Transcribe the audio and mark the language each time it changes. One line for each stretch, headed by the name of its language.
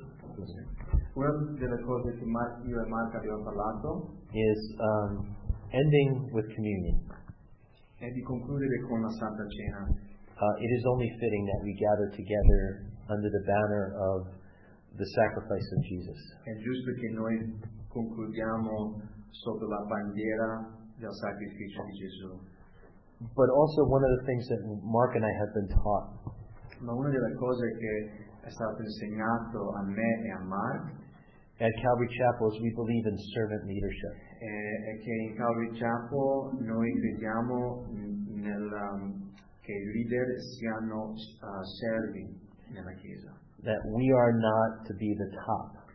English: One of the things that you and Mark have talked is ending with communion.
Italian: E di concludere con la Santa Cena.
English: It is only fitting that we gather together under the banner of the sacrifice of Jesus.
Italian: È giusto che noi concludiamo sotto la bandiera del sacrificio di Gesù.
English: But also one of the things that Mark and I have been taught.
Italian: Ma una delle cose che è stato insegnato a me e a Mark.
English: At Calvary Chapel, we believe in servant leadership.
Italian: È che in Calvary Chapel noi crediamo nel che i leader siano servi nella chiesa.
English: That we are not to be the top.